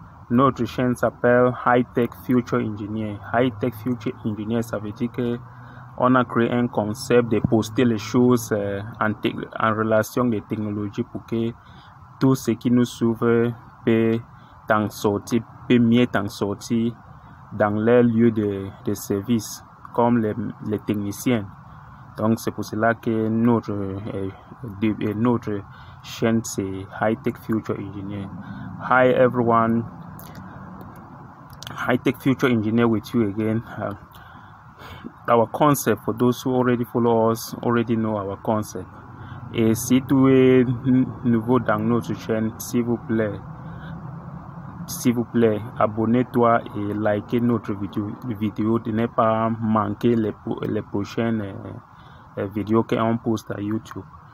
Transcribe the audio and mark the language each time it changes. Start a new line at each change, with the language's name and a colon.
French: Notre chaîne s'appelle High Tech Future Engineer. High Tech Future Engineer, ça veut dire qu'on a créé un concept de poster les choses en relation des technologies pour que tout ce qui nous suivre peut mieux t'en sortir dans leur lieu de service, comme les techniciens. Donc c'est pour cela que notre chaîne c'est High Tech Future Engineer.
English: Hi everyone, High Tech Future Engineer with you again. Our concept, for those who already follow us, already know our concept.
French: Et si tu es nouveau dans notre chaîne, s'il vous plaît, abonnez-toi et likez notre vidéo de ne pas manquer les prochaines vidéo qu'on poste à YouTube.